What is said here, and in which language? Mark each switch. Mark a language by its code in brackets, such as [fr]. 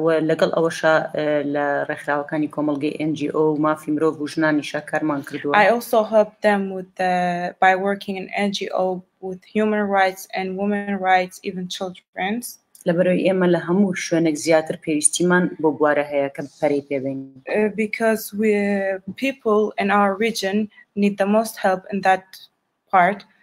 [ckb] لەگەڵ ئەوەش لە ڕێکخراوەکانی کۆمەڵگەی NGO مافی مرۆڤ و ژنانی شەکارمان کردووە. [en] I also help them with the, by working in NGO with human rights and women rights, even children. [ckb] لەبەرەوەی ئێمە لە هەموو شوێنێک زیاتر پێویستیمان بۆ بوارە هەیە کە پەری پێبین. [en] Because we people in our region need the most help in that part.